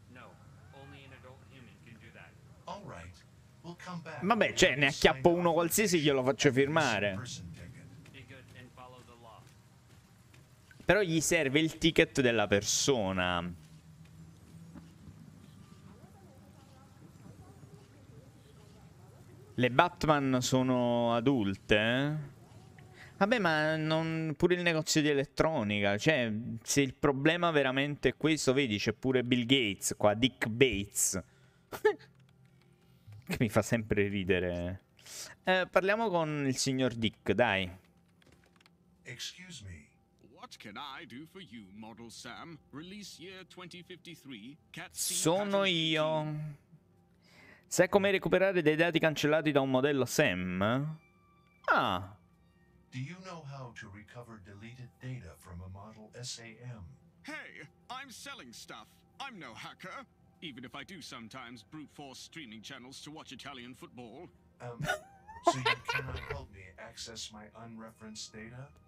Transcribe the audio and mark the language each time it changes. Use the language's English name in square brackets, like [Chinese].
[English] No, only an adult human can do that. All right. We'll come back. [Italian] Vabbè, cioè ne acchiappo uno qualsiasi, glielo faccio firmare. [English] Be good and follow the law. [Italian] Però gli serve il ticket della persona. Le Batman sono adulte? Vabbè, ma non pure il negozio di elettronica. Cioè, se il problema veramente è questo, vedi, c'è pure Bill Gates qua, Dick Bates. Che mi fa sempre ridere. Parliamo con il signor Dick, dai. [English] Excuse me. What can I do for you, Model Sam? Release year 2053. [Italian] Sono io. Sai come recuperare dei dati cancellati da un modello Sam? Ah. [English] Do you know how to recover deleted data from a model SAM? Hey, I'm selling stuff. I'm no hacker. Even if I do sometimes brute force streaming channels to watch Italian football. So you cannot help me access my unreferenced data?